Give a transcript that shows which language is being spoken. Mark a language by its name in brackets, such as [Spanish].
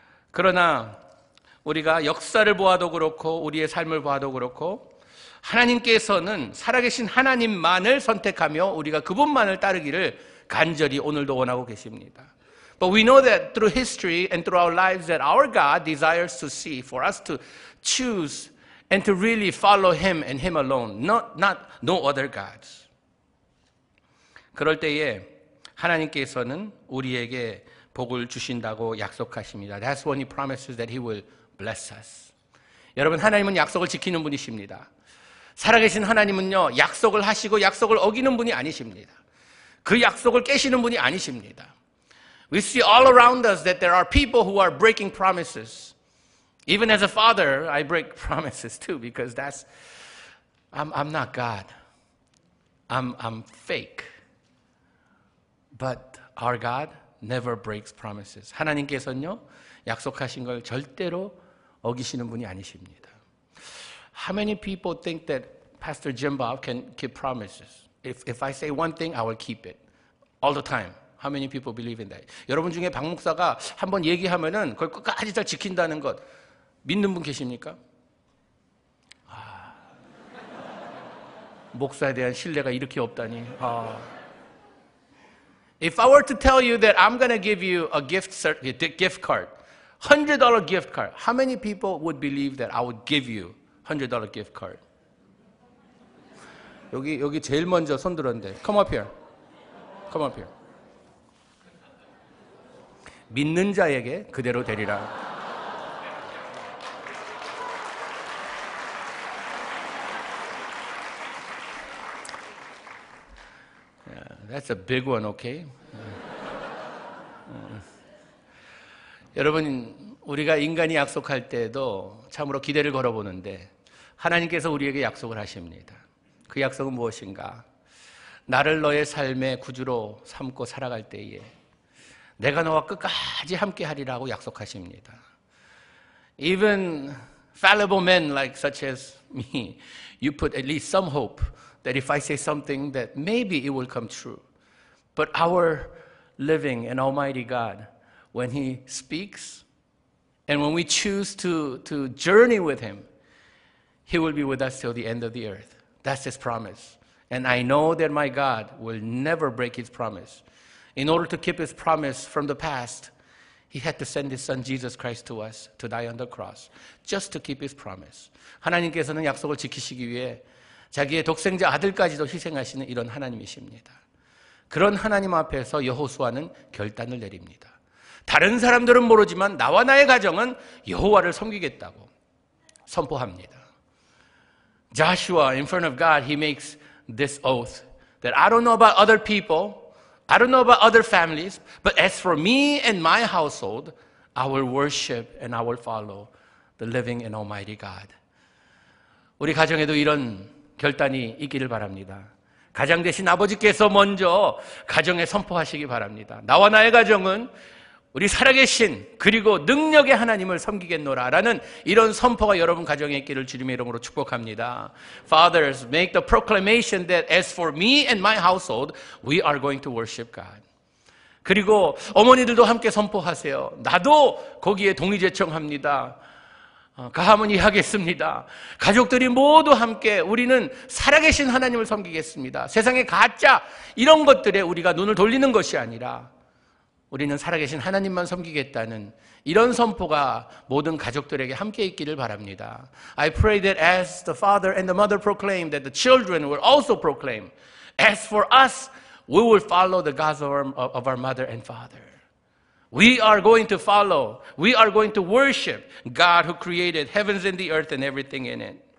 [Korean] 그러나 우리가 역사를 보아도 그렇고 우리의 삶을 보아도 그렇고 하나님께서는 살아계신 하나님만을 선택하며 우리가 그분만을 따르기를 간절히 오늘도 원하고 계십니다. [English] But we know that through history and through our lives that our God desires to see for us to choose and to really follow Him and Him alone, not no other gods. [Korean] 그럴 때에 하나님께서는 우리에게 복을 주신다고 약속하십니다. [English] That's when He promises that He will bless us. [Korean] 여러분, 하나님은 약속을 지키는 분이십니다. 살아계신 하나님은요, 약속을 하시고 약속을 어기는 분이 아니십니다. 그 약속을 깨시는 분이 아니십니다. [English] We see all around us that there are people who are breaking promises. Even as a father, I break promises too because that's I'm not God. I'm fake. But our God never breaks promises. [Korean] 하나님께서는요, 약속하신 걸 절대로 어기시는 분이 아니십니다. [English] How many people think that Pastor Jim Bob can keep promises? If I say one thing, I will keep it all the time. How many people believe in that? [Korean] 여러분 중에 박 목사가 한번 얘기하면은 그걸 끝까지 잘 지킨다는 것 믿는 분 계십니까? 아, 목사에 대한 신뢰가 이렇게 없다니. 아. [English] If I were to tell you that I'm going to give you a gift card, $100 gift card, how many people would believe that I would give you $100 gift card? [Korean] 여기 제일 먼저 손 들었는데. [English] Come up here. Come up here. [Korean] 믿는 자에게 그대로 되리라. [English] 예. That's a big one, okay? [Korean] 여러분, 우리가 인간이 약속할 때도 참으로 기대를 걸어 보는데 하나님께서 우리에게 약속을 하십니다. 그 약속은 무엇인가? 나를 너의 삶의 구주로 삼고 살아갈 때에 내가 너와 끝까지 함께 하리라고 약속하십니다. [English] Even fallible men like such as me, you put at least some hope that if I say something that maybe it will come true. But our living and almighty God, when He speaks and when we choose to journey with Him, He will be with us till the end of the earth. That's His promise. And I know that my God will never break His promise. In order to keep His promise from the past, He had to send His Son Jesus Christ to us to die on the cross, just to keep His promise. [Korean] 하나님께서는 약속을 지키시기 위해 자기의 독생자 아들까지도 희생하시는 이런 하나님이십니다. 그런 하나님 앞에서 여호수아는 결단을 내립니다. 다른 사람들은 모르지만 나와 나의 가정은 여호와를 섬기겠다고 선포합니다. [English] Joshua, in front of God, he makes this oath that I don't know about other people, I don't know about other families, but as for me and my household, I will worship and I will follow the living and almighty God. [Korean] 우리 가정에도 이런 결단이 있기를 바랍니다. 가장 되신 아버지께서 먼저 가정에 선포하시기 바랍니다. 나와 나의 가정은 우리 살아계신 그리고 능력의 하나님을 섬기겠노라라는 이런 선포가 여러분 가정에 있기를 주님의 이름으로 축복합니다. [English] Fathers, make the proclamation that as for me and my household, we are going to worship God. [Korean] 그리고 어머니들도 함께 선포하세요. 나도 거기에 동의 제청합니다. 가함은 이하겠습니다. 가족들이 모두 함께 우리는 살아계신 하나님을 섬기겠습니다. 세상의 가짜 이런 것들에 우리가 눈을 돌리는 것이 아니라 우리는 살아계신 하나님만 섬기겠다는 이런 선포가 모든 가족들에게 함께 있기를 바랍니다. [English] I pray that as the father and the mother proclaim that the children will also proclaim. As for us, we will follow the gospel of our mother and father. We are going to follow, we are going to worship God who created heavens and the earth and everything in it.